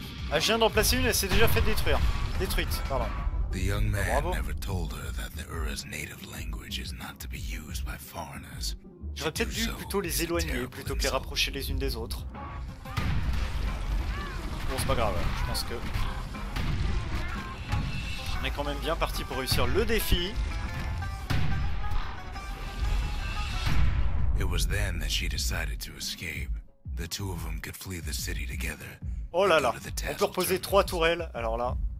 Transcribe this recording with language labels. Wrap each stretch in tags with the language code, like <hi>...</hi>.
<fr>Ah, je viens d'en placer une et c'est déjà fait détruire. Détruite, pardon.</fr> <en>The young man never told her that the Ura's native language is not to be used by foreigners.</en> <fr>J'aurais peut-être dû plutôt les éloigner plutôt que les rapprocher les unes des autres. Bon, c'est pas grave, je pense que. On est quand même bien parti pour réussir le défi.</fr> <en>It was then that she decided to escape. The two of them could flee the city together.</en> <fr>Oh là là, on peut reposer trois tourelles, alors là.</fr>